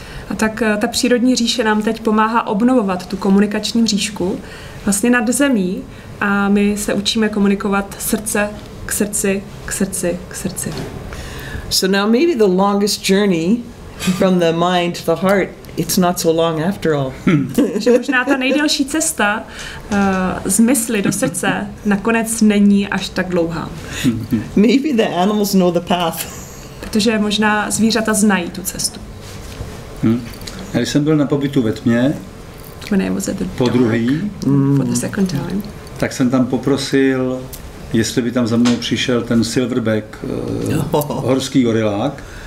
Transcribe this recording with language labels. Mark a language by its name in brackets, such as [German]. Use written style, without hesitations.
[Czech] A tak ta přírodní říše nám teď pomáhá obnovovat tu komunikační mřížku vlastně nad zemí a my se učíme komunikovat srdce k srdci, k srdci, k srdci. [English] So now maybe the longest journey from the mind to the heart, it's not so long after all. [Czech] Že možná ta nejdelší cesta z mysli do srdce nakonec není až tak dlouhá. [English] Maybe the animals know the path. [Czech] Protože možná zvířata znají tu cestu. Já když jsem byl na pobytu ve tmě, po druhý, [English] for the second time. [Czech] Tak jsem tam poprosil, jestli by tam za mnou přišel ten silverback, horský gorilák,